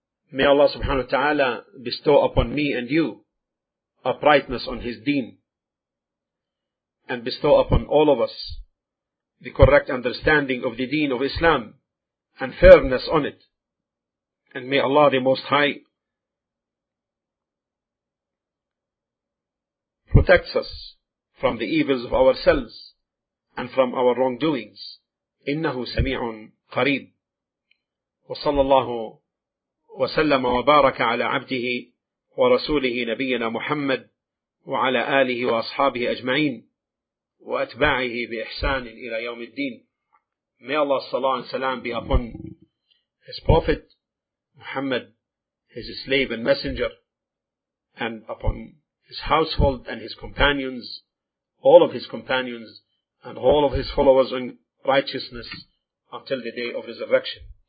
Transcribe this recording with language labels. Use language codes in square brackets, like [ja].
[en] May Allah subhanahu wa ta'ala bestow upon me and you uprightness on His deen, and bestow upon all of us the correct understanding of the deen of Islam and firmness on it. And may Allah the Most High protect us from the evils of ourselves and from our wrongdoings. [ar] إِنَّهُ سَمِيعٌ قَرِيبٌ وَصَلَّى اللَّهُ وسلم وبارك على عبده ورسوله نبينا محمد وعلى آله وأصحابه أجمعين وأتباعه بإحسان إلى يوم الدين. [en] May Allah's salah and salam be upon His Prophet Muhammad, His slave and messenger, and upon His household and His companions, all of His companions, and all of His followers in righteousness until the day of resurrection.